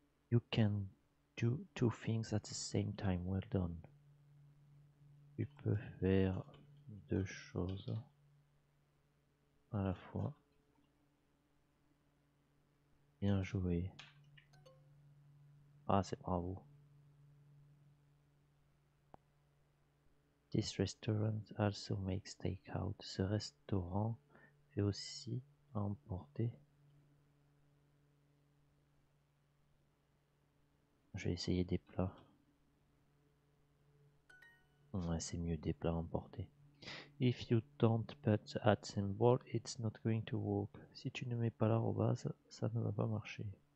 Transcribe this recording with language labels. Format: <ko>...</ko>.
<en>You can do two things at the same time. Well done.</en> <fr>Tu peux faire deux choses à la fois. Bien joué. Ah, c'est bravo.</fr> <en>This restaurant also makes takeout.</en> <fr>Ce restaurant fait aussi emporter. Je vais essayer des plats. Ouais, c'est mieux des plats emportés.</fr> <en>If you don't put at symbol, it's not going to work.</en> <fr>Si tu ne mets pas l'arrobase, ça ne va pas marcher.</fr>